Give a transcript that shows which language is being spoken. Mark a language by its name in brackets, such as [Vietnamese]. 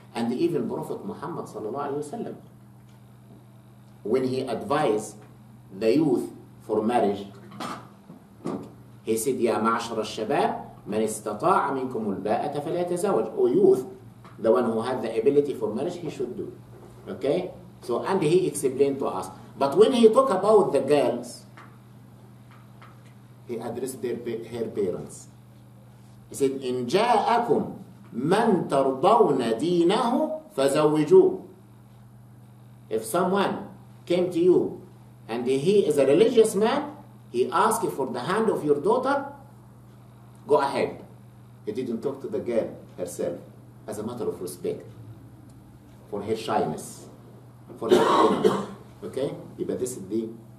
[English] And even Prophet Muhammad sallallahu alayhi wa sallam, when he advised the youth for marriage, he said, [Arabic] يَا مَعْشَرَ الشَّبَابِ مَنِ اسْتَطَاعَ مِنْكُمُ الْبَاءَةَ فَلَا تَزَوَجْ. [English] O youth, the one who had the ability for marriage, he should do. Okay? So, and he explained to us. But when he talk about the girls, he addressed her parents. He said, [Arabic] إِنْ جَاءَكُمْ مَنْ تَرْضَوْنَ دِينَهُ فَزَوِّجُوهُ. [English] If someone came to you and he is a religious man, he asked for the hand of your daughter, go ahead. He didn't talk to the girl herself as a matter of respect for her shyness, for her opinion. Okay? But this is the...